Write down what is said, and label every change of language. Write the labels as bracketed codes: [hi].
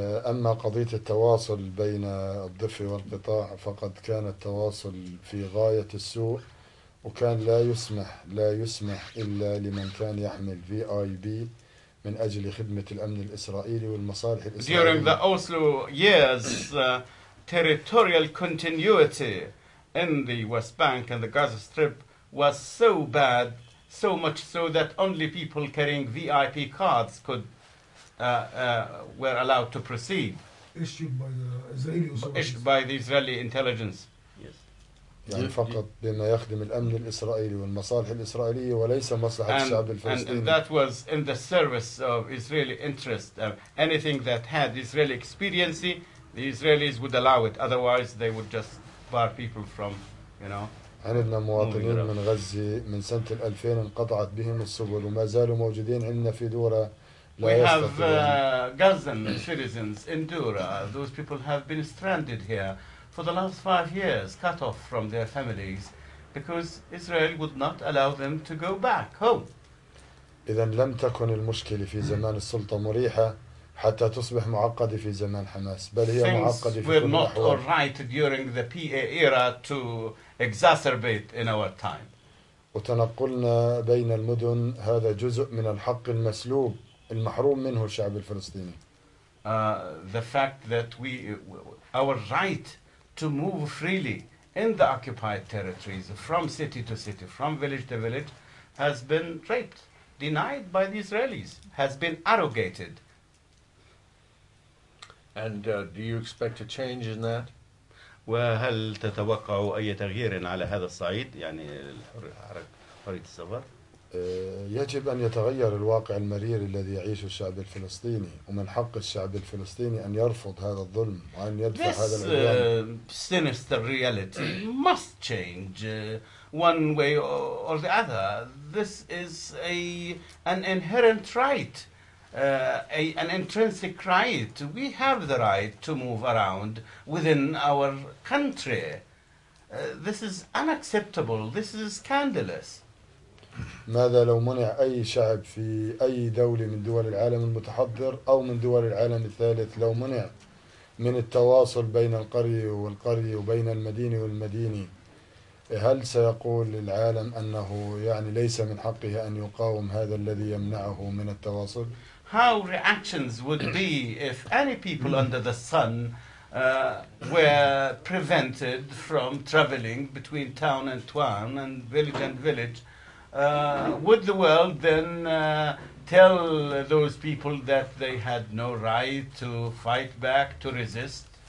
[ar] أما قضية التواصل بين الضفة والقطاع فقد كان التواصل في غاية السوء. وكان لا يسمح إلا لمن كان يحمل VIP من أجل خدمة الأمن الإسرائيلي والمصالح الإسرائيلية. [en] During the Oslo years, territorial continuity in the West Bank and the Gaza Strip was so bad, so much so that only people carrying VIP cards could were allowed to proceed. Issued by the Israeli intelligence. Issued by the Israeli intelligence. [ar] يعني فقط بما يخدم الأمن الإسرائيلي والمصالح الإسرائيلية وليس مصلحة الشعب الفلسطيني. [en] And that was in the service of Israeli interest. Anything that had Israeli expediency, the Israelis would allow it. Otherwise, they would just bar people from, [ar] عندنا مواطنين من غزة من سنة 2000 انقطعت بهم السبل وما زالوا موجودين عندنا في دورة. [en] We have Gazan citizens in Dura. Those people have been stranded here. For the last 5 years, cut off from their families, because Israel would not allow them to go back home. [ar] إذن لم تكن المشكلة في زمان السلطة مريحة حتى تصبح معقدة في زمان حماس. بل هي معقدة في كل الأحوال. [en] Things were not all right during the PA era to exacerbate in our time. [ar] وتنقلنا بين المدن هذا جزء من الحق المسلوب المحروم منه الشعب الفلسطيني. [en] The fact that we our right to move freely in the occupied territories, from city to city, from village to village, has been raped, denied by the Israelis, has been arrogated. And do you expect a change in that? [ar] وهل تتوقع أي تغيير على هذا الصعيد يعني حرية السفر؟ يجب أن يتغير الواقع المرير الذي يعيش الشعب الفلسطيني ومن حق الشعب الفلسطيني أن يرفض هذا الظلم وأن يدفع [en] This, [ar] هذا العيان. [en] This sinister reality must change one way or the other. This is an inherent right, an intrinsic right. We have the right to move around within our country. This is unacceptable. This is scandalous. [ar] ماذا لو منع أي شعب في أي دولة من دول العالم المتحضر أو من دول العالم الثالث لو منع من التواصل بين القرية والقرية وبين المدينة والمدينة هل سيقول للعالم أنه يعني ليس من حقه أن يقاوم هذا الذي يمنعه من التواصل؟ [en] How reactions would be if any people under the sun were prevented from traveling between town and town and village and village? Would the world then tell those people that they had no right to fight back, to resist?